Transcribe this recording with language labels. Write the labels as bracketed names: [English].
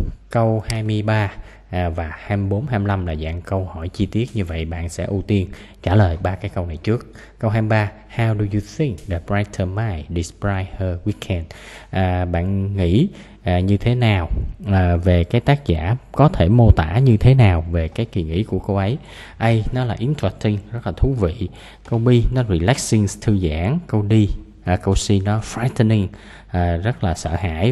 [Vietnamese] Câu 23 và 24, 25 là dạng câu hỏi chi tiết, như vậy bạn sẽ ưu tiên trả lời ba cái câu này trước. [English] Câu 23, how do you think the writer might describe her weekend? [Vietnamese] Bạn nghĩ như thế nào về cái tác giả có thể mô tả như thế nào về cái kỳ nghỉ của cô ấy? A, nó là interesting, rất là thú vị. Câu B, nó relaxing, thư giãn. Câu D, câu C, nó frightening, rất là sợ hãi.